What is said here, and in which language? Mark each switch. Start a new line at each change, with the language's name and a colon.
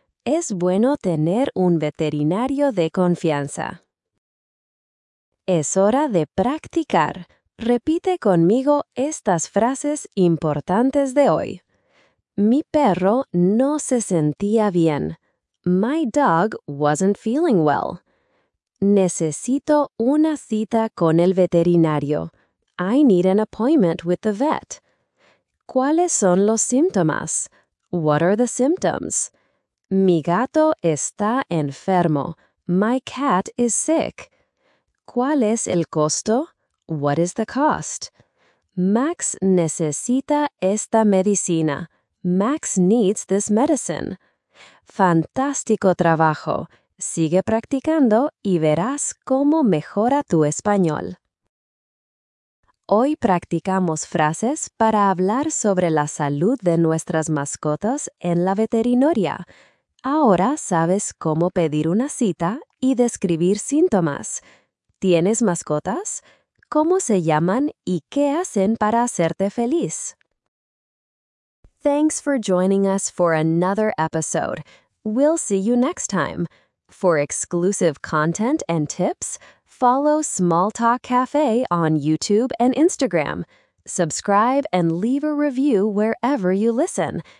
Spanish: Es bueno tener un veterinario de confianza. Es hora de practicar. Repite conmigo estas frases importantes de hoy. Mi perro no se sentía bien.
English: My dog wasn't feeling well.
Spanish: Necesito una cita con el veterinario.
English: I need an appointment with the vet.
Spanish: ¿Cuáles son los síntomas?
English: What are the symptoms?
Spanish: Mi gato está enfermo.
English: My cat is sick.
Spanish: ¿Cuál es el costo?
English: What is the cost?
Spanish: Max necesita esta medicina.
English: Max needs this medicine.
Spanish: ¡Fantástico trabajo! Sigue practicando y verás cómo mejora tu español. Hoy practicamos frases para hablar sobre la salud de nuestras mascotas en la veterinaria. Ahora sabes cómo pedir una cita y describir síntomas. ¿Tienes mascotas? ¿Cómo se llaman y qué hacen para hacerte feliz?
English: Thanks for joining us for another episode. We'll see you next time. For exclusive content and tips, follow Small Talk Cafe on YouTube and Instagram. Subscribe and leave a review wherever you listen.